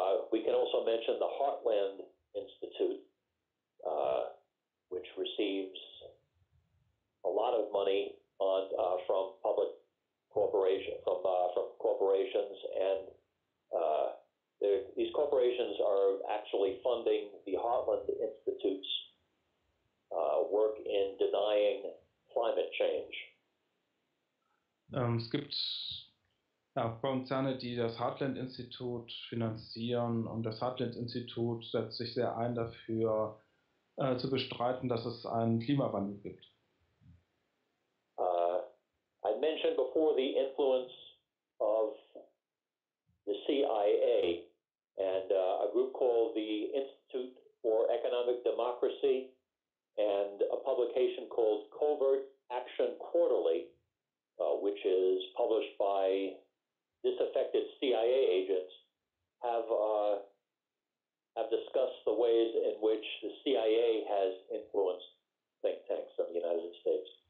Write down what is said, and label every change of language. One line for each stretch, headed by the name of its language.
English: We can also mention the Heartland Institute, which receives a lot of money on from public corporations, from corporations, and these corporations are actually funding the Heartland Institute's work in denying climate change.
German: Es gibt ja, Konzerne, die das Heartland-Institut finanzieren, und das Heartland-Institut setzt sich sehr ein dafür, zu bestreiten, dass es einen Klimawandel gibt.
English: I mentioned before the influence of the CIA and a group called the Institute for Economic Democracy and a publication called Covert Action Quarterly, which is published by disaffected CIA agents, have discussed the ways in which the CIA has influenced think tanks in the United States.